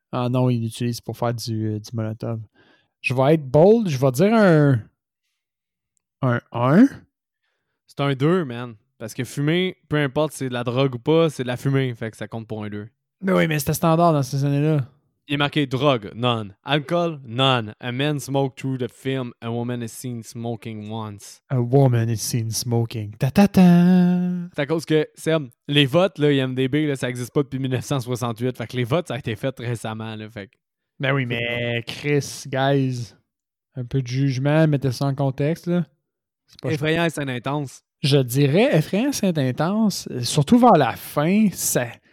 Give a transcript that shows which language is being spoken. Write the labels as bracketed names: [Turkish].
[French] Ah non, ils l'utilisent pour faire du Molotov. Je vais être bold, je vais dire un 1. C'est un 2, man. Parce que fumer, peu importe si c'est de la drogue ou pas, c'est de la fumée, fait que ça compte pour un 2. Mais oui, mais c'était standard dans ces années-là. Il est marqué drogue, none. Alcool, none. [English] A man smoked through the film, a woman is seen smoking once. A woman is seen smoking. Ta-ta-ta! [French] C'est à cause que, Sam, les votes, là, IMDB, là, ça n'existe pas depuis 1968, fait que les votes, ça a été fait récemment, là, fait que... Ben oui, mais Chris, guys, un peu de jugement, mettez ça en contexte, là. C'est pas effrayant et c'est intense. Je dirais effrayant, c'est intense. Surtout vers la fin, ça.